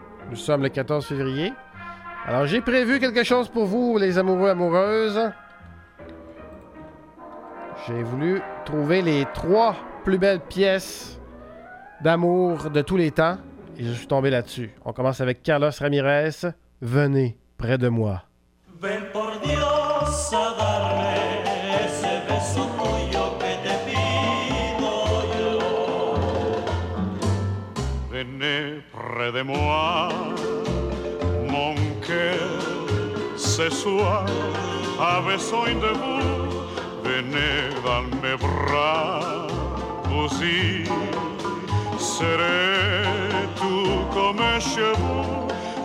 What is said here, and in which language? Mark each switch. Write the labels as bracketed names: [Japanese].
[French] Nous sommes le 14 février. Alors, j'ai prévu quelque chose pour vous, les amoureux, amoureuses. J'ai voulu trouver les trois plus belles pièces d'amour de tous les temps. Et je suis tombé là-dessus. On commence avec Carlos Ramirez. Venez près de moi. [Spanish] Ven por Dios a darme ese beso tuyo que te pido yo. [French] Venez près de moi, mon cœur, ce soir. A besoin de vous, venez dans mes bras. Vous y serez tout comme chez vous.